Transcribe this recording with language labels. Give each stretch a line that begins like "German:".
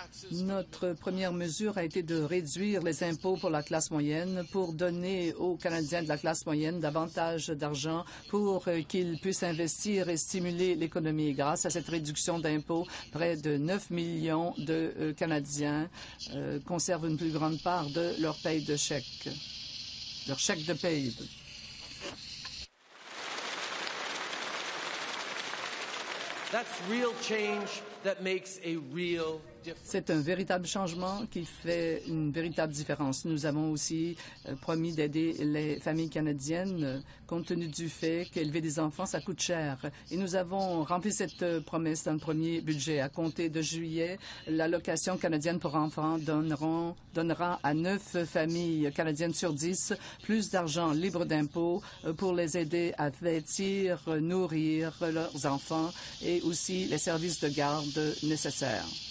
French: Notre première mesure a été de réduire les impôts pour la classe moyenne pour donner aux Canadiens de la classe moyenne davantage d'argent pour qu'ils puissent investir et stimuler l'économie. Grâce à cette réduction d'impôts, près de 9 millions de Canadiens conservent une plus grande part de leur paye de chèque, leur chèque de paye.
English: That's real change that makes a real difference.
French: C'est un véritable changement qui fait une véritable différence. Nous avons aussi promis d'aider les familles canadiennes compte tenu du fait qu'élever des enfants, ça coûte cher. Et nous avons rempli cette promesse dans le premier budget. À compter de juillet, l'allocation canadienne pour enfants donnera à 9 familles canadiennes sur 10 plus d'argent libre d'impôts pour les aider à vêtir, nourrir leurs enfants et aussi les services de garde nécessaires.